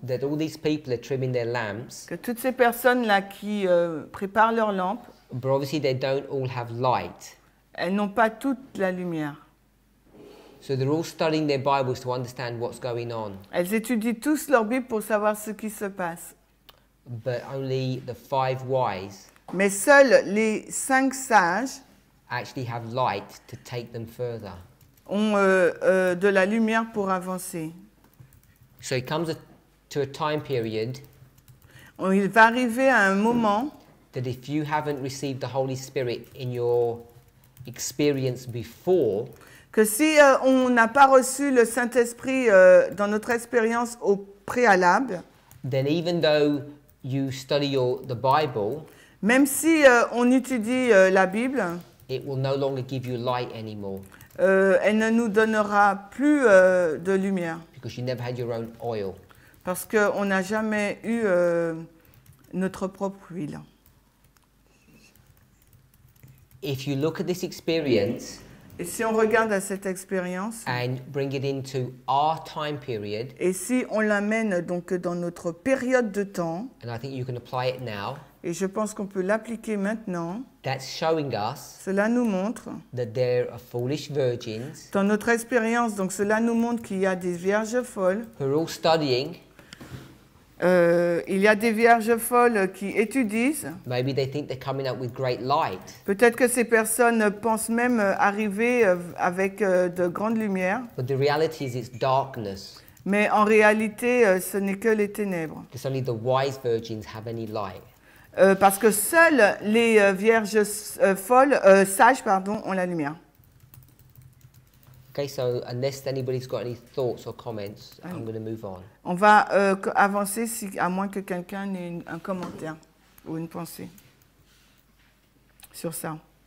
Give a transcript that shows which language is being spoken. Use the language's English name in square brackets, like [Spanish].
[English] That all these people are trimming their lamps. [French] Que toutes ces personnes là qui préparent leurs lampes. [English] But obviously they don't all have light. [French] Elles n'ont pas toute la lumière. [English] So they're all studying their Bibles to understand what's going on. [French] Elles étudient tous leur Bible pour savoir ce qui se passe. [English] But only the five wise. [French] Mais seuls les cinq sages. [English] Actually have light to take them further. [French] Ont de la lumière pour avancer. [English] So it comes to a time period. [French] Il va arriver à un moment. [English] That if you haven't received the Holy Spirit in your experience before. [French] Que si on n'a pas reçu le Saint-Esprit dans notre expérience au préalable. [English] Then even though you study the Bible. [French] Même si on étudie la Bible. [English] It will no longer give you light anymore. [French] Elle ne nous donnera plus de lumière. [English] Because you never had your own oil. [French] Parce que on n'a jamais eu notre propre huile. [English] If you look at this experience. [French] Et si on regarde à cette expérience. [English] And bring it into our time period. [French] Et si on l'amène donc dans notre période de temps. [English] And I think you can apply it now. [French] Et je pense qu'on peut l'appliquer maintenant. [English] That's showing us. [French] Cela nous montre. [English] That there are foolish virgins. [French] Dans notre expérience, donc cela nous montre qu'il y a des vierges folles. [English] Who are all studying. [French] Il y a des vierges folles qui étudient. [English] Maybe they think they're coming out with great light. [French] Peut-être que ces personnes pensent même arriver avec de grandes lumières. [English] But the reality is it's darkness. [French] Mais en réalité, ce n'est que les ténèbres. [English] Because only the wise virgins have any light. [French] Parce que seules les vierges folles, sages, pardon, ont la lumière. [English] Okay, so unless anybody's got any thoughts or comments, I'm going to move on. [French] On va avancer si, à moins que quelqu'un ait un commentaire ou une pensée sur ça.